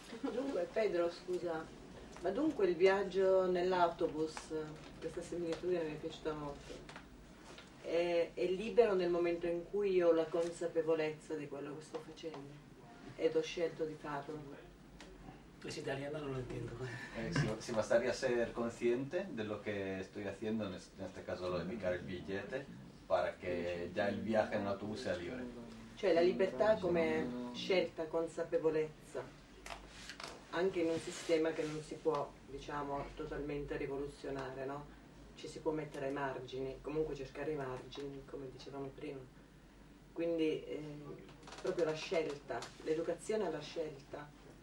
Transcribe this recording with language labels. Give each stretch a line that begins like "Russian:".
Italian: Dunque, Pedro, scusa, ma dunque il viaggio nell'autobus, questa segnatura mi è piaciuta molto, è libero nel momento in cui io ho la consapevolezza di quello che sto facendo ed ho scelto di farlo.
Spanish: Pues italiano no lo entiendo. Si bastaría ser consciente de lo que estoy haciendo, en este caso lo de picar el billete, para que ya el viaje en un autobús sea libre.
Italian: Cioè la libertà come scelta, consapevolezza, anche in un sistema che non si può, diciamo, totalmente rivoluzionare, no? Ci si può mettere ai margini, comunque cercare i margini, come dicevamo prima. Quindi proprio la scelta, l'educazione alla scelta.